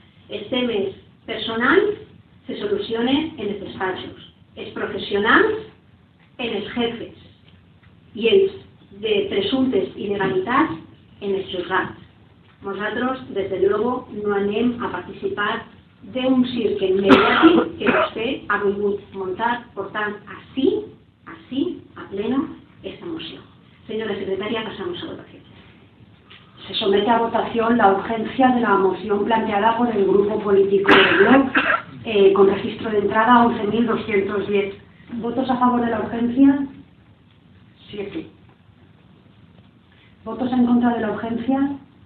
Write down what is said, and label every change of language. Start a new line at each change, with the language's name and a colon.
Spanish: El tema es personal, se solucione en los despachos. Es profesional, en los jefes. Y es
Catalan: de presuntes ilegalitats en els jutjats. Nosaltres, des de luego, no anem a participar d'un cirque mediàtic que vostè ha volgut muntar, portant així, així,
Spanish: a pleno,
Catalan: esta moció. Senyora secretària, passamos a votació.
Spanish: Se somete a votación la urgencia de la moción planteada por el grupo político del Bloc, con registro de entrada 11.210. ¿Votos a favor de la urgencia? 7. ¿Votos en contra de la urgencia?